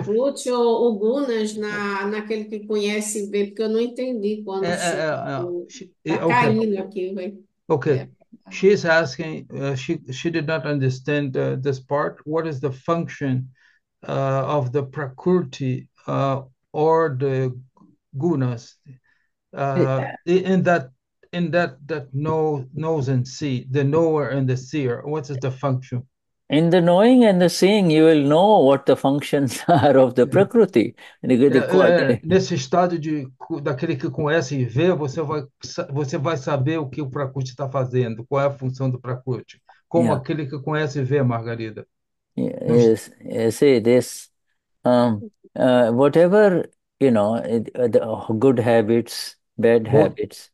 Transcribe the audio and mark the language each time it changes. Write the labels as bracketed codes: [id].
[pt] Prakrut ou o Gunas naquele que conhece bem, porque eu não entendi quando se. Está caindo aqui, velho. [en] She's asking, she did not understand this part. What is the function of the Prakruti or the gunas in that knows and see, the knower and the seer? What is the function? In the knowing and the seeing, you will know what the functions are of the Prakriti. [pt] Nesse estado daquele que conhece e vê, você vai saber o que o Prakruti está fazendo, qual é a função do Prakruti, como aquele que conhece e vê, Margarida. [en] See this. Whatever, the good habits, bad habits,